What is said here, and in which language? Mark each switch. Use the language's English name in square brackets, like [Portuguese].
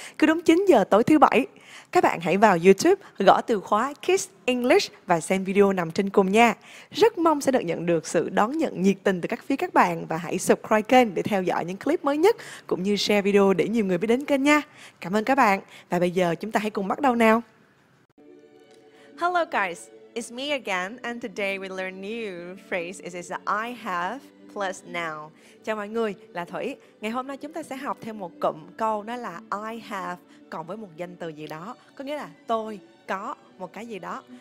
[Vietnamese] Cứ đúng 9 giờ tối thứ bảy, các bạn hãy vào YouTube gõ từ khóa Kiss English và xem video nằm trên cùng nha. Rất mong sẽ được nhận được sự đón nhận nhiệt tình từ các phía các bạn và hãy subscribe kênh để theo dõi những clip mới nhất cũng như share video để nhiều người biết đến kênh nha. Cảm ơn các bạn và bây giờ chúng ta hãy cùng bắt đầu nào. [English] Hello guys. It's me again, and today we learn new phrase. It is I have plus noun. [Vietnamese] Chào mọi người, là Thủy. Ngày hôm nay chúng ta sẽ học thêm một cụm câu, đó là [English] I have [Vietnamese] cộng với một danh từ gì đó, có nghĩa là tôi có một cái gì đó.